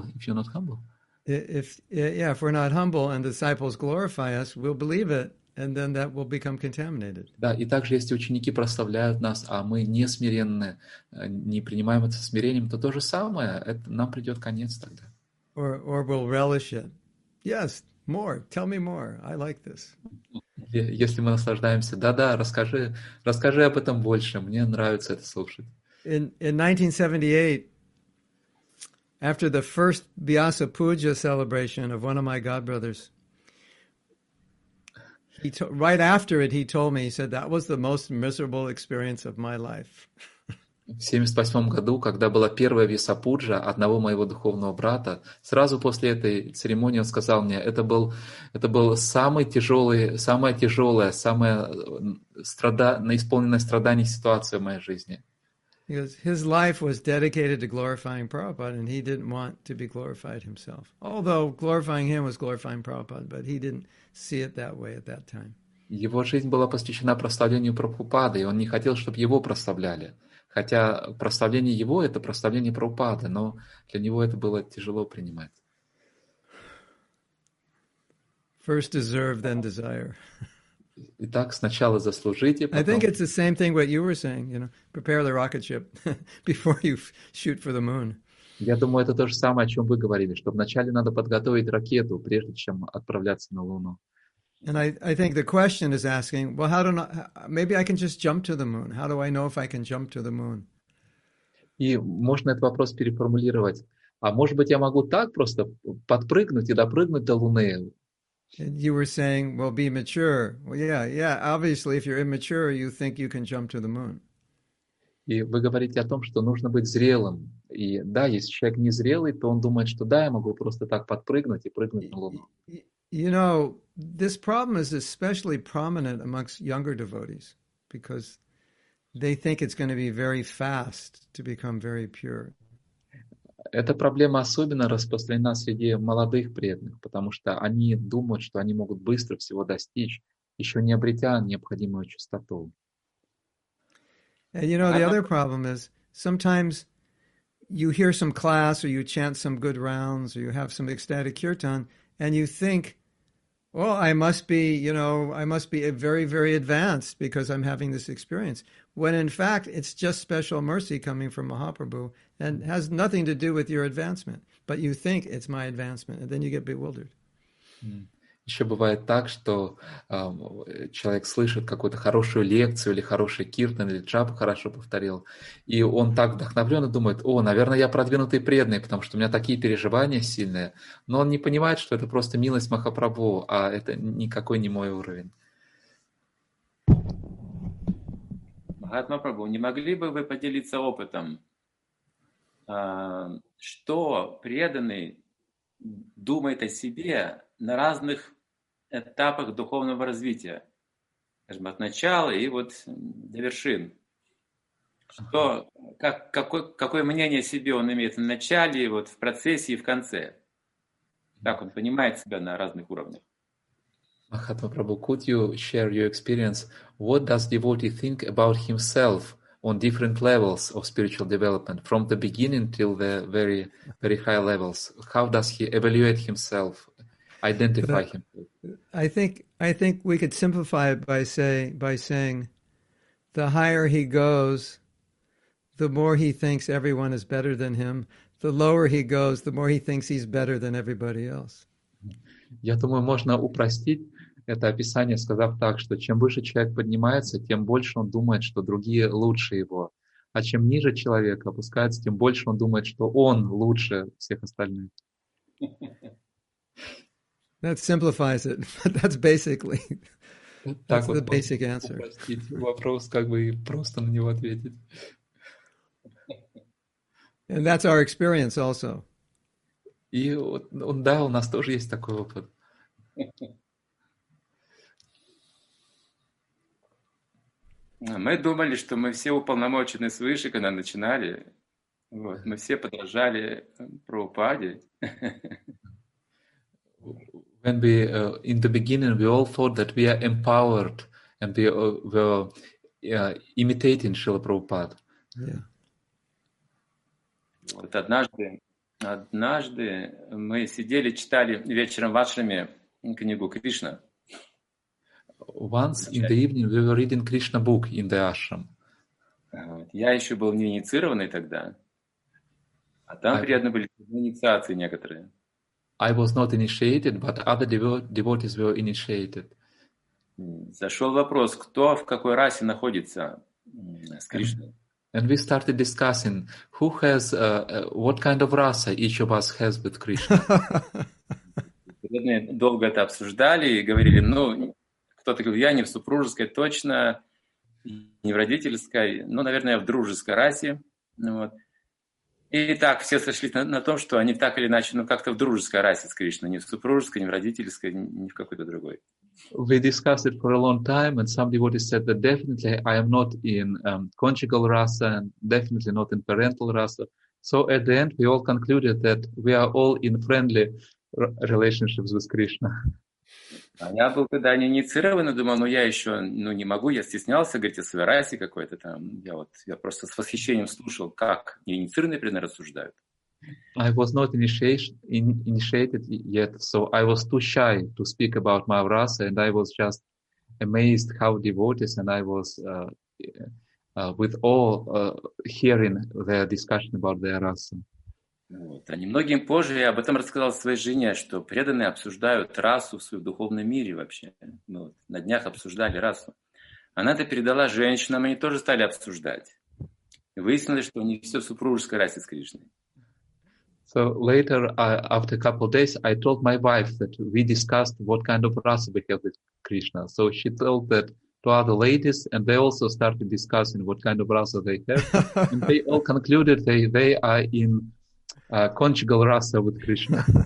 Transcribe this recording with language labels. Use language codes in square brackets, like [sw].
[en] If we're not humble and disciples glorify us, we'll believe it. And then that will become contaminated. [ru] Да, и также если ученики прославляют нас, а мы не смиренны, не принимаем это смирением, то же самое, нам придет конец тогда. [en] Or we'll relish it. Yes, more. Tell me more. I like this. [ru] Если мы наслаждаемся, да-да, расскажи об этом больше. Мне нравится это слушать. [en] In 1978, after the first Vyasa Puja celebration of one of my godbrothers, right after it, he told me, he said, that was the most miserable experience of my life. [ru] В 78 году, когда была первая Вьясапуджа одного моего духовного брата, сразу после этой церемонии он сказал мне, это был самая исполненная страданий ситуация в моей жизни. [en] Because his life was dedicated to glorifying Prabhupada, and he didn't want to be glorified himself. Although glorifying him was glorifying Prabhupada, but he didn't see it that way at that time. [ru] Его жизнь была посвящена прославлению Прабхупады, и он не хотел, чтобы его прославляли. Хотя прославление его — это прославление Прабхупады, но для него это было тяжело принимать. [en] First deserve, then desire. [ru] Итак, сначала заслужите, потом... [en] I think it's the same thing what you were saying, you know, prepare the rocket ship before you shoot for the moon. [ru] Я думаю, это то же самое, о чем вы говорили, что вначале надо подготовить ракету, прежде чем отправляться на Луну. [en] And I think the question is asking, well, maybe I can just jump to the moon. How do I know if I can jump to the moon? [ru] И можно этот вопрос переформулировать. А может быть, я могу так просто подпрыгнуть и допрыгнуть до Луны? [en] And you were saying, well, be mature. Well, yeah, obviously, if you're immature, you think you can jump to the moon. [ru] И вы говорите о том, что нужно быть зрелым. И да, если человек незрелый, то он думает, что да, я могу просто так подпрыгнуть и прыгнуть на Луну. [en] You know, this problem is especially prominent amongst younger devotees, because they think it's going to be very fast to become very pure. [ru] Эта проблема особенно распространена среди молодых преданных, потому что они думают, что они могут быстро всего достичь, еще не обретя необходимую чистоту. [en] And you know, the other problem is sometimes you hear some class, or you chant some good rounds, or you have some ecstatic kirtan, and you think, well, I must be very, very advanced because I'm having this experience. When in fact, it's just special mercy coming from Mahaprabhu and has nothing to do with your advancement. But you think it's my advancement, and then you get bewildered. [ru] Еще бывает так, что человек слышит какую-то хорошую лекцию или хороший киртан, или джапу хорошо повторил, и он так вдохновлен и думает, о, наверное, я продвинутый преданный, потому что у меня такие переживания сильные. Но он не понимает, что это просто милость Махапрабху, а это никакой не мой уровень. Махатма Прабху, не могли бы вы поделиться опытом, что преданный думает о себе на разных этапах духовного развития, скажем, от начала и вот до вершин. Что, как, какое мнение о себе он имеет в начале, вот в процессе и в конце? Как он понимает себя на разных уровнях? [en] Mahatma Prabhu, could you share your experience? What does devotee think about himself on different levels of spiritual development, from the beginning till the very, very high levels? How does he evaluate himself, identify himself? I think we could simplify it by saying, the higher he goes, the more he thinks everyone is better than him. The lower he goes, the more he thinks he's better than everybody else. [ru] Я думаю, можно упростить это описание, сказав так, что чем выше человек поднимается, тем больше он думает, что другие лучше его. А чем ниже человек опускается, тем больше он думает, что он лучше всех остальных. [en] That simplifies it, but that's basically that's [ru] так [en] the [ru] вот, [en] basic answer. [ru] Упростить вопрос, как бы просто на него ответить. [en] And that's our experience also. [ru] И вот, да, у нас тоже есть такой опыт. Мы думали, что мы все уполномочены свыше, когда начинали. Вот, мы все подражали Прабхупаде. [en] When we in the beginning we all thought that we are empowered and we were imitating Srila Prabhupada. Yeah. [ru] Вот однажды мы сидели, читали вечером в ашраме книгу Кришна. [en] Once in the evening we were reading Krishna book in the ashram. [ru] Я еще был не инициированный тогда, а там приятно были инициации некоторые. [en] I was not initiated, but other devotees were initiated. [ru] Зашел вопрос, кто в какой расе находится с Кришной. [en] And we started discussing who has what kind of rasa each of us has with Krishna. [ru] Мы долго это обсуждали и говорили, ну кто-то говорит, я не в супружеской точно, не в родительской, ну, наверное, я в дружеской расе. Вот. И так все сошли на том, что они так или иначе, ну, как-то в дружеской расе с Кришной, не в супружеской, не в родительской, не в какой-то другой. [en] We discussed it for a long time, and some devotees said that definitely I am not in conjugal rasa, and definitely not in parental rasa. So at the end, we all concluded that we are all in friendly relationships with Krishna. [ru] А я был тогда не инициирован, думал, ну я еще, ну не могу, я стеснялся, говорить о своей расе какой-то там. Я просто с восхищением слушал, как неинициированные, например, рассуждают. [en] I was not initiated yet, so I was too shy to speak about my rasa, and I was just amazed how devotees, and I was with awe hearing their discussion about their rasa. [ru] Вот. А немногим позже я об этом рассказал своей жене, что преданные обсуждают расу в своем духовном мире вообще. Мы вот на днях обсуждали расу. Она это передала женщинам, они тоже стали обсуждать. И выяснилось, что у них все в супружеской расе с Кришной. [en] So later, after a couple of days, I told my wife that we discussed what kind of rasa we have with Krishna. So she told that to other ladies, and they also started discussing what kind of rasa they have. And they all concluded they are in conjugal rasa with Krishna.